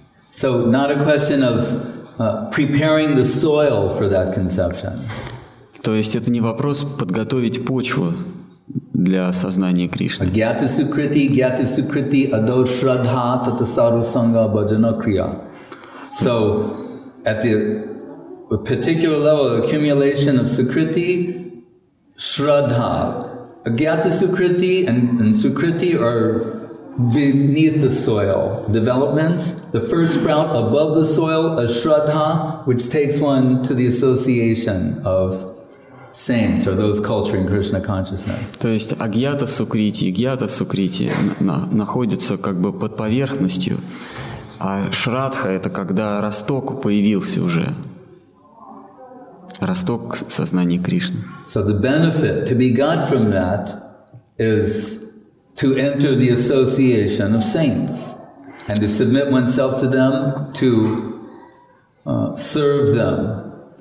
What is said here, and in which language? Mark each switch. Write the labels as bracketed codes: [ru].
[en] So not a question of preparing the soil for that conception. [ru] То есть это не вопрос подготовить почву для сознания Кришны. [sa] Гьяти-сукрити адо шрадха тата сарусанга баджана крия. [en] So at the particular level, accumulation of sukriti, shraddha. Gyati-sukriti and sukriti are beneath the soil. Developments, the first sprout above the soil, a shraddha, which takes one to the association of saints or those culturing Krishna consciousness. [ru] То есть агьята-сукрити и гьята-сукрити находятся как бы под поверхностью, а шрадха — это когда росток появился уже. Росток сознания Кришны. [en] So the benefit to be got from that is to enter the association of saints and to submit oneself to them, to serve them.